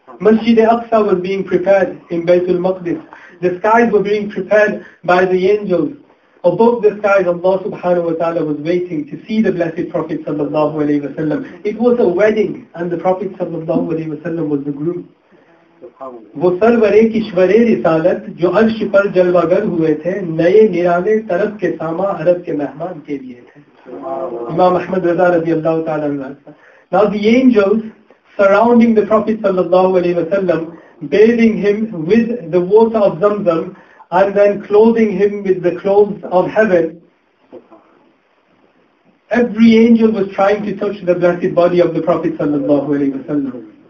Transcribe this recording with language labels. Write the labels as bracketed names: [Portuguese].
[English] Masjid al-Aqsa was being prepared in Baytul Maqdis. The skies were being prepared by the angels. Above the skies, Allah subhanahu wa ta'ala was waiting to see the blessed Prophet sallallahu alayhi wa sallam. It was a wedding and the Prophet sallallahu alayhi wa sallam was the groom. [Urdu] وہ سرورِ کشورِ رسالت جو عرش پر جلوہ گر ہوئے تھے نئے نرانے طرف کے ساما عرب کے مہمان کے لیے تھے. [Arabic] Imam Ahmad Raza رضی اللہ تعالیٰ عنہ. [English] Now the angels surrounding the Prophet [Arabic] صلی اللہ علیہ وسلم, [English] bathing him with the water of Zamzam and then clothing him with the clothes of heaven. Every angel was trying to touch the blessed body of the Prophet [Arabic] صلی اللہ علیہ وسلم.